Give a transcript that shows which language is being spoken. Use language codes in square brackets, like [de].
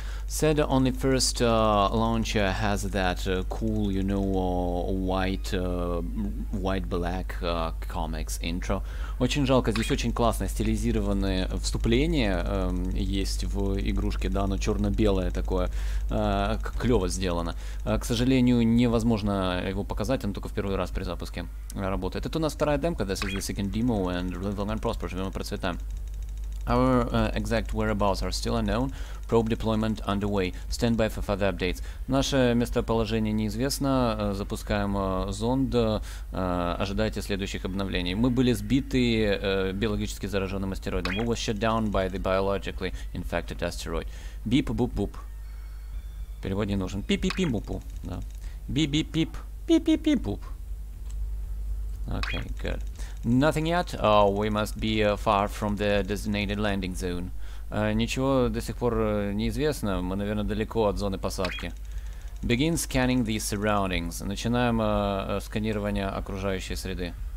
[en] Said on the first launcher has that cool, you know, white-black comics intro. [ru] Очень жалко, здесь очень классное стилизированное вступление есть в игрушке, да, оно черно-белое такое, клево сделано. К сожалению, невозможно его показать, он только в первый раз при запуске работает. Это у нас вторая демка, [en] this is the second demo, and live long and prosper, [ru] живем и процветаем. [en] Our exact whereabouts are still unknown. Probe deployment underway. Stand by for further updates. [ru] Наше местоположение неизвестно. Запускаем зонд. Ожидайте следующих обновлений. Мы были сбиты биологически зараженным астероидом. [en] We were shut down by the biologically infected asteroid. [ru] Бип-буп-буп. Перевод не нужен. Пи-пи-пи-бупу. Да. Би-би-пип. Пи-пи-пи-буп. [en] Okay, good. Nothing yet. Oh, we must be far from the designated landing zone. [ru] Ничего до сих пор неизвестно. Мы, наверное, далеко от зоны посадки. [en] Begin scanning the surroundings. [ru] Начинаем сканирование окружающей среды.